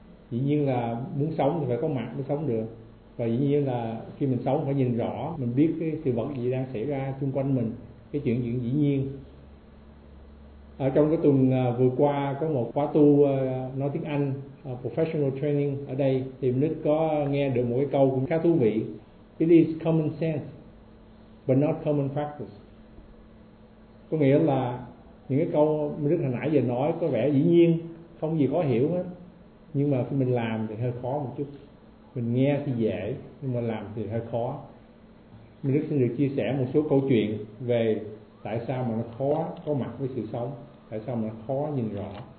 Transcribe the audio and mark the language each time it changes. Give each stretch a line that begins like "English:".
Vietnamese: Dĩ nhiên là muốn sống thì phải có mặt mới sống được. Và dĩ nhiên là khi mình sống phải nhìn rõ, mình biết cái sự vật gì đang xảy ra xung quanh mình. Cái chuyện dĩ nhiên. Ở trong cái tuần vừa qua có một khóa tu nói tiếng Anh,
English: professional training
Vietnamese: ở đây, thì mình có nghe được một cái câu cũng khá thú vị.
English: It is common sense, but not common practice.
Vietnamese: Có nghĩa là những cái câu mình hồi nãy giờ nói có vẻ dĩ nhiên, không gì khó hiểu hết. Nhưng mà khi mình làm thì hơi khó một chút. Mình nghe thì dễ, nhưng mà làm thì hơi khó. Mình xin được chia sẻ một số câu chuyện về tại sao mà nó khó có mặt với sự sống, tại sao mà nó khó nhìn rõ.